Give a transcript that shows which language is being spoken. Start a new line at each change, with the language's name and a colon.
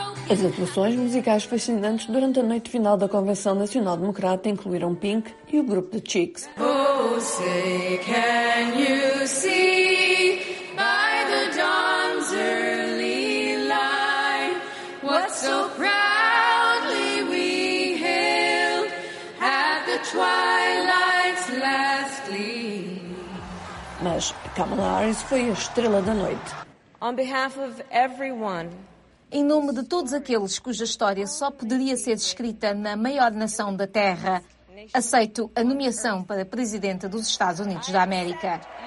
Portuguese: As atuações musicais fascinantes durante a noite final da Convenção Nacional Democrata incluíram Pink e o grupo The Chicks.
English: Oh, say, can you see by the dawn's early light what so proudly we hailed at the twilight's last gleam?
Portuguese: Mas Kamala Harris foi a estrela da noite.
English: On behalf of everyone,
Portuguese: em nome de todos aqueles cuja história só poderia ser escrita na maior nação da Terra, aceito a nomeação para presidente dos Estados Unidos da América.